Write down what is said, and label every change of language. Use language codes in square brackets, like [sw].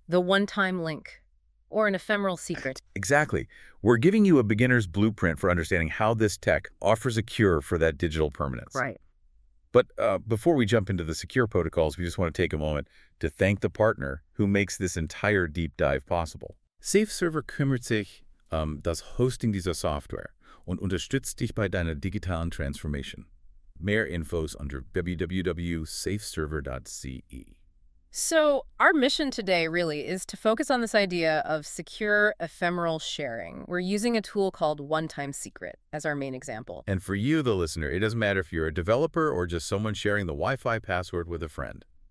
[en] The one-time link. Or an ephemeral secret. Exactly. We're giving you a beginner's blueprint for understanding how this tech offers a cure for that digital permanence. Right. But before we jump into the secure protocols, we just want to take a moment to thank the partner who makes this entire deep dive possible. [de] SafeServer kümmert sich das Hosting dieser Software und unterstützt dich bei deiner digitalen Transformation. Mehr Infos under www.safeserver.ce. [en] So our mission today really is to focus on this idea of secure ephemeral sharing. We're using a tool called One-Time Secret as our main example. And for you, the listener, it doesn't matter if you're a developer or just someone sharing the Wi-Fi password with a friend.